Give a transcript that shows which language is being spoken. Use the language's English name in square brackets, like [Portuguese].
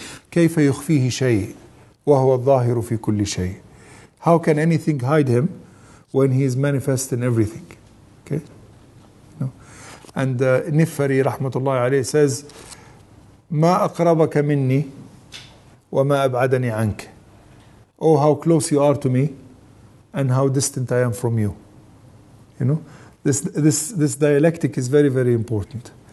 [Arabic] كيف يخفيه شيء وهو الظاهر في كل شيء. [English] How can anything hide him when he is manifest in everything? Okay. No. And Nifari rahmatullahi alayhi says, [Arabic] ما أقربك مني وما أبعدني عنك. [English] Oh, how close you are to me and how distant I am from you. You know, this dialectic is very, very important.